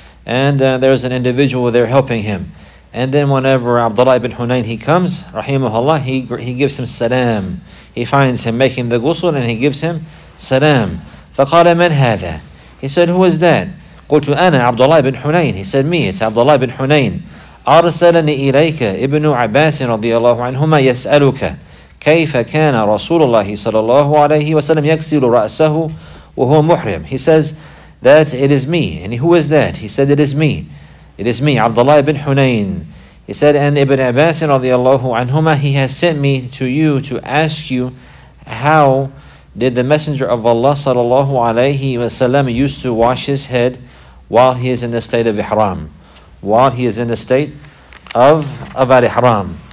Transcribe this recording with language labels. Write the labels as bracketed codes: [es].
[en] And there's an individual there helping him. And then whenever Abdullah ibn Hunayn, he comes, rahimahullah, he gives him salam. He finds him making the ghusl and he gives him salam. [ar] فَقَالَ مَنْ هَذَا. [en] He said, who is that? [ar] قلت أنا عبد الله بن حنين. [en] He said, me, it's Abdullah ibn Hunayn. [ar] أرسلني إليك ابن عباس رضي الله عنهما يسألك كيف كان رسول الله صلى الله عليه وسلم يكسل رأسه وهو محرم. [en] He says that it is me. And who is that? He said, it is me. It is me, Abdullah ibn Hunayn. He said, and Ibn Abbas رضي الله عنهما, he has sent me to you to ask you, how did the Messenger of Allah sallallahu alayhi wa sallam used to wash his head while he is in the state of ihram, while he is in the state of al-ihram?